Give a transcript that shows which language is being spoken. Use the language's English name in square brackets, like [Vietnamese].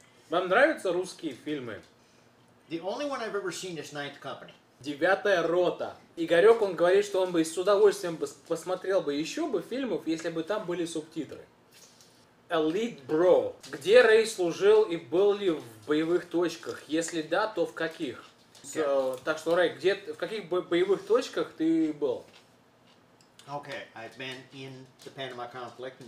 [Russian] Вам нравятся русские фильмы? [English] The only one I've ever seen is Ninth Company. [Russian] Девятая рота. Игорек, он говорит, что он бы с удовольствием посмотрел бы еще бы фильмов, если бы там были субтитры. [English] Elite Bro. [Russian] Где Рэй служил и был ли в боевых точках? Если да, то в каких? Okay. Так что, Рэй, где, в каких боевых точках ты был? [English] Okay, I've been in the Panama conflict in